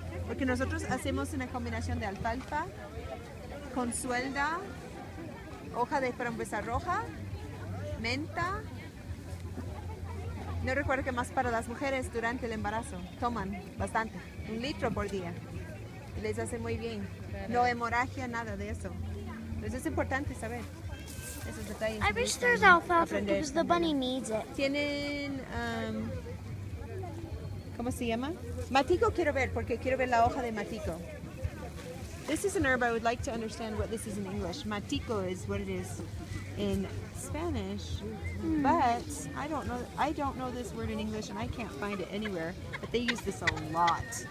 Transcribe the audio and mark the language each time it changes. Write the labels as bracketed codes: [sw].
[es] Porque nosotros hacemos una combinación de alfalfa con suelda, hoja de frambuesa roja, menta. No recuerdo que más para las mujeres durante el embarazo. Toman bastante. Un litro por día. Y les hace muy bien. No hemorragia, nada de eso. Entonces es importante saber. esos detalles. [en] I wish there's alfalfa because the bunny needs it. [es] Tienen, ¿cómo se llama? Matico quiero ver porque quiero ver la hoja de matico. [en] This is an herb. I would like to understand what this is in English. Matico is what it is in Spanish, but I don't know this word in English, and I can't find it anywhere. But they use this a lot.